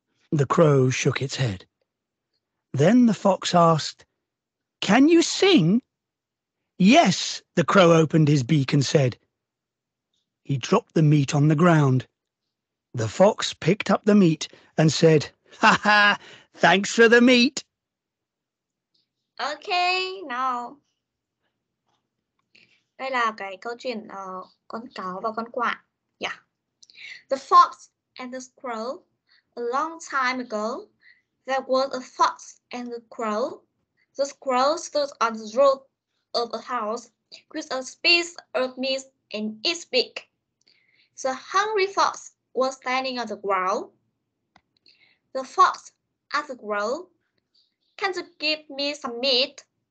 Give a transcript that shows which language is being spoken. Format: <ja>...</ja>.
<en>The crow shook its head. Then the fox asked, "Can you sing?" "Yes," the crow opened his beak and said. He dropped the meat on the ground. The fox picked up the meat and said, "Ha ha, thanks for the meat." Okay, now.</en> <vi>Đây là cái câu chuyện con cáo và con quạ.</vi> <en>Yeah. The fox and the crow. A long time ago, there was a fox and a crow. The crow stood on the roof of a house with a piece of meat in its beak. The hungry fox was standing on the ground. The fox asked the crow, "Can you give me some meat?"</en>